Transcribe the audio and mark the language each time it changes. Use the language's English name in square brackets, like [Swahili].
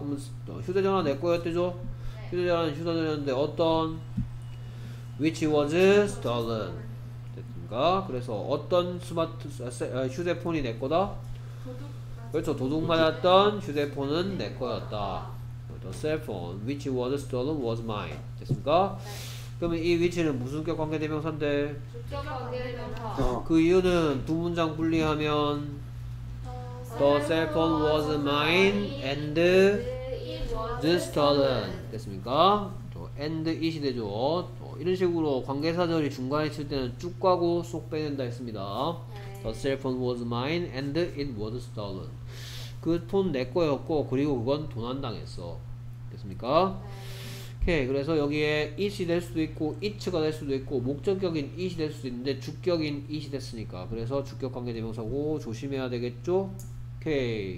[Korean] 그럼 휴대전화 내 거였대죠. 휴대전화는 휴대전화였는데 어떤 [English] Which was stolen. [Korean] 됐습니까? 그래서 어떤 스마트 휴대폰이 내 거다? 그렇죠. 도둑 맞았던 휴대폰은 내 거였다. [English] The cell phone which was stolen was mine. [Korean] 됐습니까? 그러면 이 which는 무슨 격 관계대명사인데? 주격 관계대명사. 그 이유는 두 문장 분리하면 [English] The cell phone was mine and it was stolen. [Korean] 됐습니까? and it이 되죠. 이런 식으로 관계사절이 중간에 있을 때는 쭉 가고 쏙 빼낸다 했습니다. 네. [English] The cell phone was mine and it was stolen. [Korean] 그 폰 내 거였고 그리고 그건 도난당했어. 됐습니까? 네. 오케이. 그래서 여기에 it이 될 수도 있고 it가 될 수도 있고 목적격인 it이 될 수도 있는데 주격인 it이 됐으니까 그래서 주격 관계대명사고 조심해야 되겠죠? 오케이.